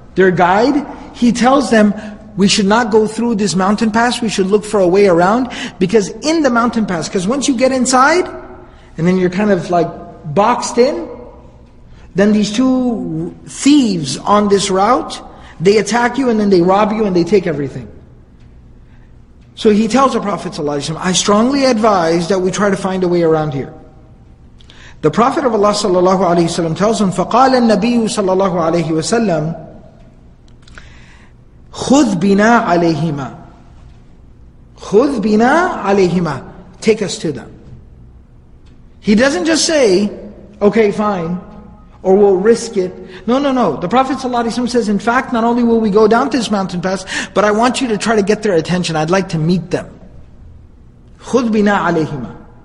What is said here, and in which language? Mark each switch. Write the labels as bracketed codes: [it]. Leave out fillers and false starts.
[en] Their guide, he tells them, we should not go through this mountain pass, we should look for a way around, because in the mountain pass, because once you get inside, and then you're kind of like boxed in, then these two thieves on this route, they attack you and then they rob you and they take everything. So he tells the Prophet ﷺ, I strongly advise that we try to find a way around here. The Prophet of Allah ﷺ tells him, [ar] فَقَالَ النَّبِيُّ صَلَى اللَّهُ عَلَيْهِ وَسَلَّمْ خُذْ بِنَا عَلَيْهِمَا خُذْ بِنَا عَلَيْهِمَا. [en] Take us to them. He doesn't just say, okay, fine, or we'll risk it. No, no, no. The Prophet ﷺ says, in fact, not only will we go down to this mountain pass, but I want you to try to get their attention. I'd like to meet them. [ar] خُذْ بِنَا عَلَيْهِمَا.